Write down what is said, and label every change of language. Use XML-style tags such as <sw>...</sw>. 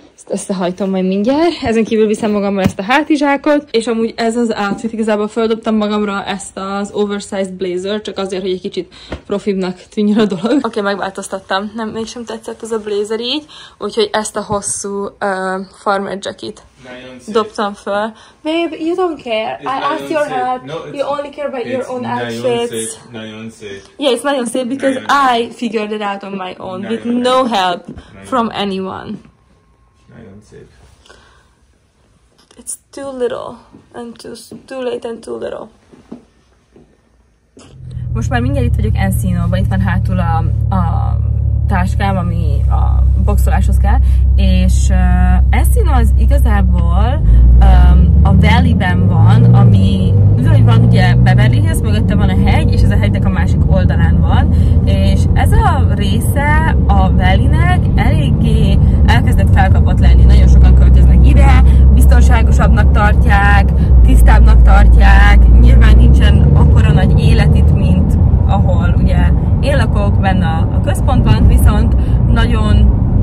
<hu>Összehajtom majd mindjárt. Ezen kívül viszem magammal ezt a hátizsákot, és amúgy ez az outfit, igazából földobtam magamra ezt az oversized blazer, csak azért, hogy egy kicsit profibnak tűnjön a dolog. Oké, megváltoztattam. Nem, mégsem tetszett ez a blazer így, úgyhogy ezt a hosszú farmer jacket dobtam fel.</hu> <en>Babe, you don't care. It's I asked your help. No, you only care about your own outfits. Yeah, it's</en> <hu>nagyon szép,</hu> <en>because I figured it out on my own, with no help from anyone.</en> <hu>Szép.</hu> <en>It's too little and too late and too little.</en> <hu>Most már mindjárt itt vagyok Encinóban, itt van hátul a táskám, ami a boxoláshoz kell, és Encino az igazából a Valley-ben van, ami úgy van ugye Beverly-hez, mögötte van a hegy, és ez a hegynek a másik oldalán van, és ez a része a Valley-nek eléggé elkezdett felkapott lenni, nagyon sokan költöznek ide, biztonságosabbnak tartják, tisztábbnak tartják, nyilván nincsen akkora nagy élet itt, mint ahol ugye én lakok benne a központban, viszont nagyon</hu>